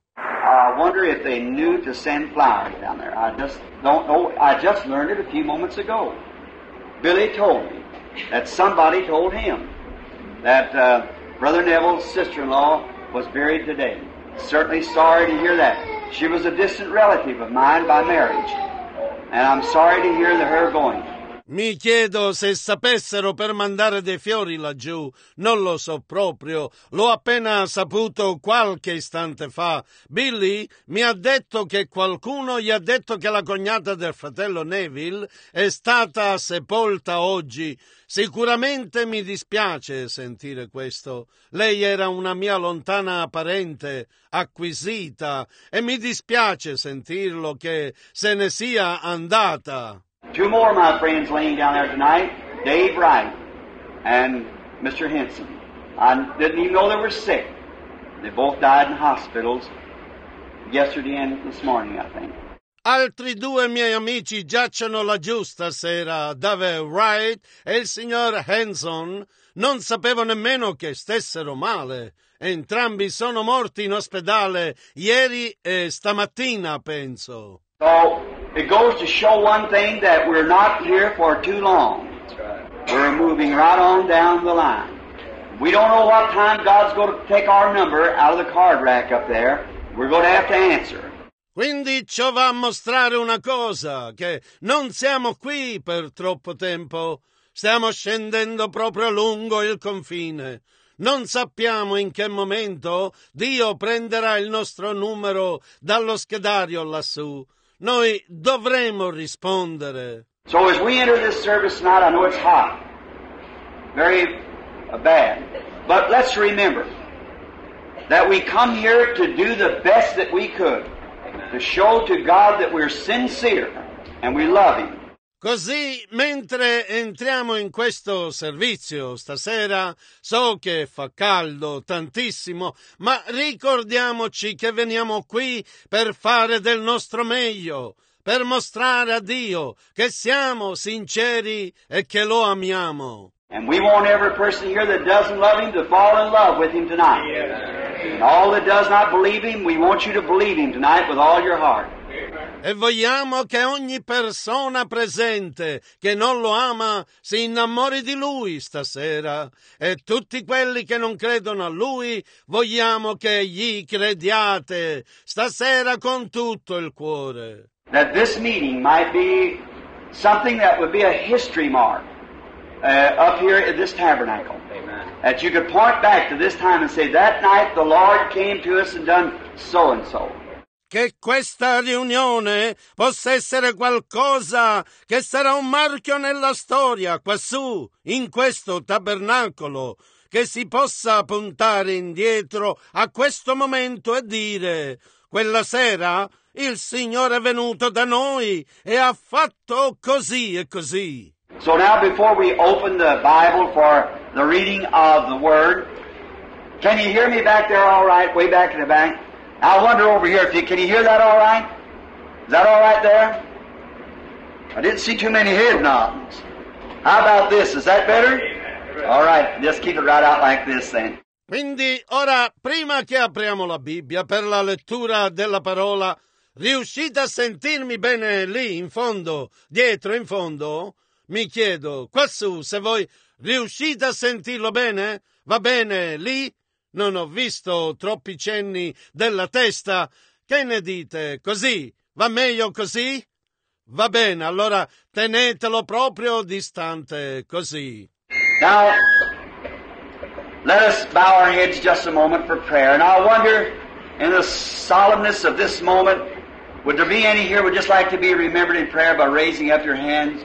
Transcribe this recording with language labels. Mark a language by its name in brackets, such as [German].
[English] I wonder if they knew to send flowers down there. I just don't know. I just learned it a few moments ago. Billy told me that somebody told him that Brother Neville's sister-in-law was buried today. Certainly sorry to hear that. She was a distant relative of mine by marriage. And I'm sorry to hear her going. [Italian] Mi chiedo se sapessero per mandare dei fiori laggiù. Non lo so proprio. L'ho appena saputo qualche istante fa. Billy mi ha detto che qualcuno gli ha detto che la cognata del fratello Neville è stata sepolta oggi. Sicuramente mi dispiace sentire questo. Lei era una mia lontana parente, acquisita, e mi dispiace sentirlo che se ne sia andata. [English] Two more of my friends laying down there tonight, Dave Wright and Mr. Henson. I didn't even know they were sick. They both died in hospitals yesterday and this morning, I think. [Italian] Altri due miei amici giacciono laggiù stasera, Dave Wright e il signor Henson. Non sapevo nemmeno che stessero male. Entrambi sono morti in ospedale ieri e stamattina, penso. [English] So, it goes to show one thing that we're not here for too long. We're moving right on down the line. We don't know what time God's going to take our number out of the card rack up there. We're going to have to answer. [Italian] Quindi ciò va a mostrare una cosa, che non siamo qui per troppo tempo. Stiamo scendendo proprio lungo il confine. Non sappiamo in che momento Dio prenderà il nostro numero dallo schedario lassù. Noi dovremo rispondere. [English] So as we enter this service tonight, I know it's hot. Very bad. But let's remember that we come here to do the best that we could. To show to God that we're sincere and we love Him. [Italian] Così, mentre entriamo in questo servizio stasera, so che fa caldo tantissimo, ma ricordiamoci che veniamo qui per fare del nostro meglio, per mostrare a Dio che siamo sinceri e che lo amiamo. [English] And we want every person here that doesn't love Him to fall in love with Him tonight. Yes. And all that does not believe Him, we want you to believe Him tonight with all your heart. [Italian] E vogliamo che ogni persona presente che non lo ama si innamori di Lui stasera. E tutti quelli che non credono a Lui, vogliamo che gli crediate stasera con tutto il cuore. [English] That this meeting might be something that would be a history mark up here at this tabernacle. That you could point back to this time and say, that night the Lord came to us and done so and so. [Italian] Che questa riunione possa essere qualcosa che sarà un marchio nella storia, quassù, in questo tabernacolo, che si possa puntare indietro a questo momento e dire, quella sera il Signore è venuto da noi e ha fatto così e così. [English] So now before we open the Bible for the reading of the Word, can you hear me back there all right, way back in the back? I wonder over here, can you hear that all right? Is that all right there? I didn't see too many head nods. How about this, is that better? All right, just keep it right out like this then. [Italian] Quindi ora, prima che apriamo la Bibbia per la lettura della parola, riuscite a sentirmi bene lì in fondo, dietro in fondo? Mi chiedo, quassù, se voi riuscite a sentirlo bene? Va bene, lì? Non ho visto troppi cenni della testa. Che ne dite? Così? Va meglio così? Va bene, allora tenetelo proprio distante, così. [English] Now, let us bow our heads just a moment for prayer. And I wonder, in the solemnness of this moment, would there be any here would just like to be remembered in prayer by raising up your hands?